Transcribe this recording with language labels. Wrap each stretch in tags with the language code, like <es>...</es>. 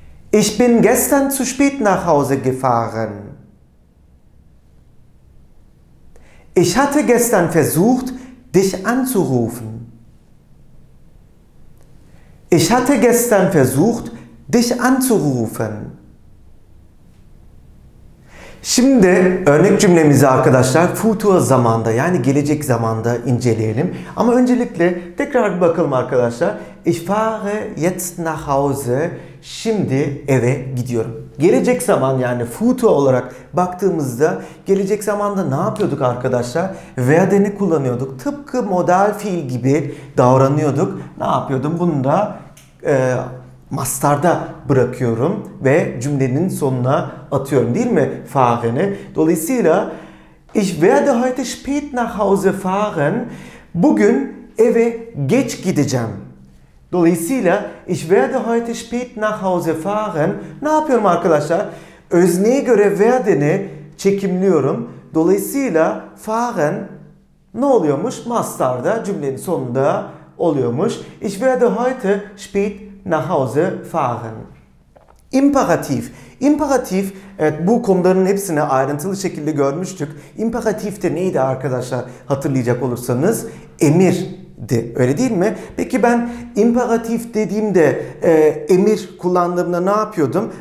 <de>Ich bin gestern zu spät nach Hause gefahren. Ich hatte gestern versucht, dich anzurufen. Ich hatte gestern versucht, dich anzurufen.</de> <tr>Şimdi örnek cümlemizi arkadaşlar futur zamanda yani gelecek zamanda inceleyelim. Ama öncelikle tekrar bir bakalım arkadaşlar.</tr> <de>Ich fahre jetzt nach Hause.</de> <tr>Şimdi eve gidiyorum. Gelecek zaman yani futur olarak baktığımızda gelecek zamanda ne yapıyorduk arkadaşlar? Werden'i kullanıyorduk. Tıpkı modal fiil gibi davranıyorduk. Ne yapıyordum? Bunu da mastarda bırakıyorum ve cümlenin sonuna atıyorum değil mi fahreni?</tr> <de>Dolayısıyla ich werde heute spät nach Hause fahren.</de> <tr>Bugün eve geç gideceğim.</tr> <de>Dolayısıyla ich werde heute spät nach Hause fahren.</de> <tr>Ne yapıyorum arkadaşlar? Özneye göre werden'i çekimliyorum. Dolayısıyla fahren ne oluyormuş? Mastarda cümlenin sonunda oluyormuş.</tr> <de>Ich werde heute spät nach Hause fahren.</de> <tr>İmperatif. İmperatif, evet bu konuların hepsini ayrıntılı şekilde görmüştük. İmperatif de neydi arkadaşlar hatırlayacak olursanız? Emirdi. Öyle değil mi? Peki ben imperatif dediğimde emir kullandığımda ne yapıyordum?</tr>